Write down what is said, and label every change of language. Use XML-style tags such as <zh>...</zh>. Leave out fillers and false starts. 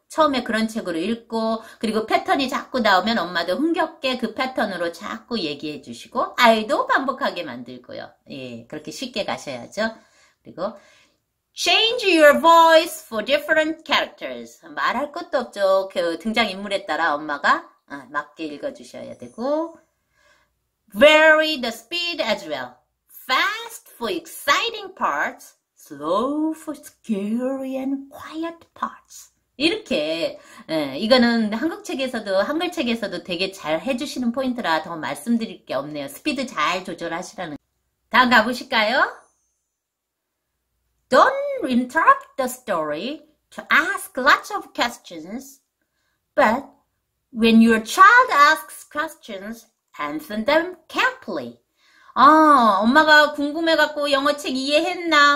<ko>처음에 그런 책으로 읽고, 그리고 패턴이 자꾸 나오면 엄마도 흥겹게 그 패턴으로 자꾸 얘기해 주시고, 아이도 반복하게 만들고요. 예, 그렇게 쉽게 가셔야죠. 그리고,</ko> <en>Change your voice for different characters.</en> <ko>말할 것도 없죠. 그 등장인물에 따라 엄마가 맞게 읽어주셔야 되고.</ko> <en>Vary the speed as well. Fast for exciting parts, slow for scary and quiet parts.</en> <ko>이렇게, 예, 이거는 한글 책에서도 되게 잘 해주시는 포인트라 더 말씀드릴 게 없네요. 스피드 잘 조절하시라는. 다음 가보실까요?</ko> <en>Don't interrupt the story to ask lots of questions, but when your child asks questions, answer them carefully.</en> <ko>엄마가 궁금해갖고 영어책 이해했나?</ko>